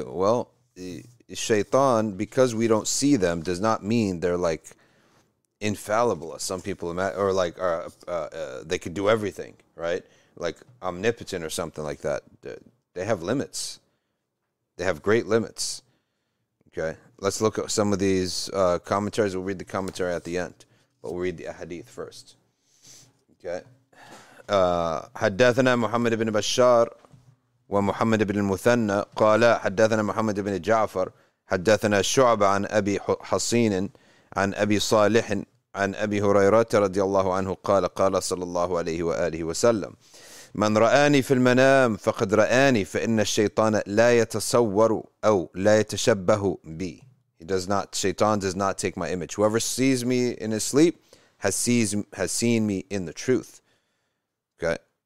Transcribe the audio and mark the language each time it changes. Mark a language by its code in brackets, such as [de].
[en] Well, shaitan, because we don't see them, does not mean they're like infallible, as some people imagine, or like they could do everything, right? Like omnipotent or something like that. They have limits. They have great limits. Okay? Let's look at some of these commentaries. We'll read the commentary at the end, but we'll read the hadith first. Okay? [ar] حدثنا محمد بن بشار ومحمد بن المثنى قال حدثنا محمد بن جعفر حدثنا شعب عن أبي حصين عن أبي صالح عن أبي هريرة رضي الله عنه قال قال صلى الله عليه وآله وسلم من رآني في المنام فقد رآني فإن الشيطان لا يتصور أو لا يتشبه بي. [en] He does not, shaitan does not take my image. Whoever sees me in his sleep has seen me in the truth. Okay.